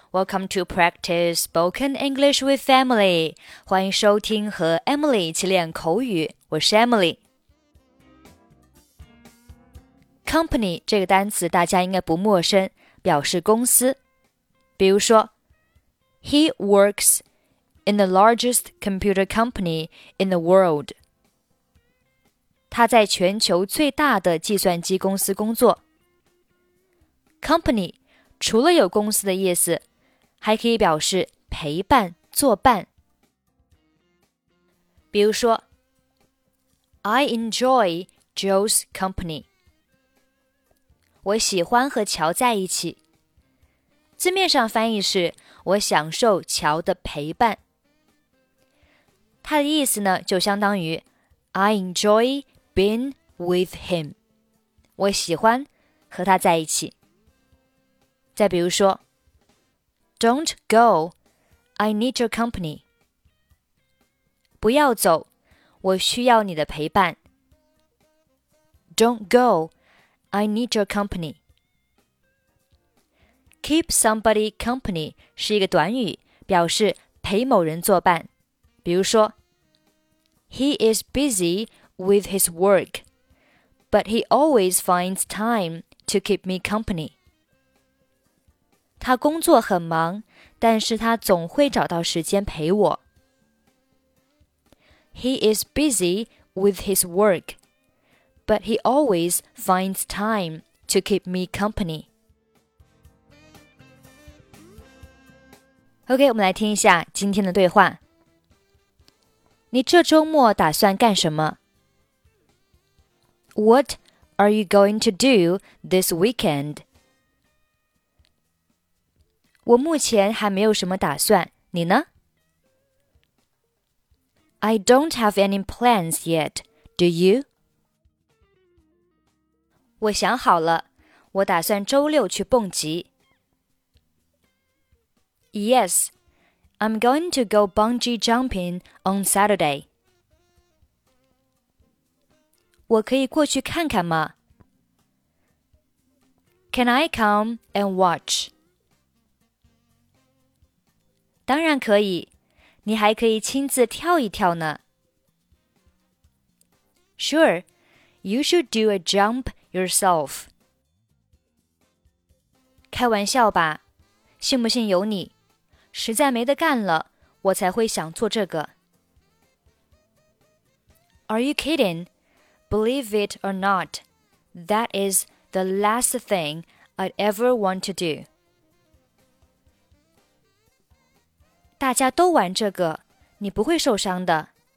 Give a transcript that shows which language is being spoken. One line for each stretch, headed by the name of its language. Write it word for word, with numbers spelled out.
English: Welcome to practice spoken English with Emily.
Chinese: 欢迎收听和 Emily 一起练口语。我是 Emily。 Company 这个单词大家应该不陌生，表示公司。比如说
English: ，He works in the largest computer company in the world.
Chinese: 他在全球最大的计算机公司工作。 Company除了有公司的意思，还可以表示陪伴、作伴。比如说
English: I enjoy Joe's company.
Chinese: 我喜欢和乔在一起。字面上翻译是我享受乔的陪伴。它的意思呢，就相当于
English: I enjoy being with him.
Chinese: 我喜欢和他在一起。再比如说
English: Don't go, I need your company.
Chinese: 不要走，我需要你的陪伴。
English: Don't go, I need your company. Keep somebody company
Chinese: 是一个短语，表示陪某人作伴。比如说
English: He is busy with his work, but he always finds time to keep me company.
Chinese: 他工作很忙，但是他总会找到时间陪我。
English: He is busy with his work, but he always finds time to keep me company.
Chinese: OK, 我们来听一下今天的对话。你这周末打算干什么？
English: What are you going to do this weekend?
Chinese: 我目前还没有什么打算，你呢？
English: I don't have any plans yet, do you?
Chinese: 我想好了，我打算周六去蹦极。
English: Yes, I'm going to go bungee jumping on Saturday.
Chinese: 我可以过去看看吗？
English: Can I come and watch?
Chinese: 当然可以，你还可以亲自跳一跳呢。
English: Sure, you should do a jump yourself.
Chinese: 开玩笑吧，信不信由你，实在没得干了，我才会想做这个。
English: Are you kidding? Believe it or not, that is the last thing I'd ever want to do.
Chinese: 大家都玩这个，你不会受伤的。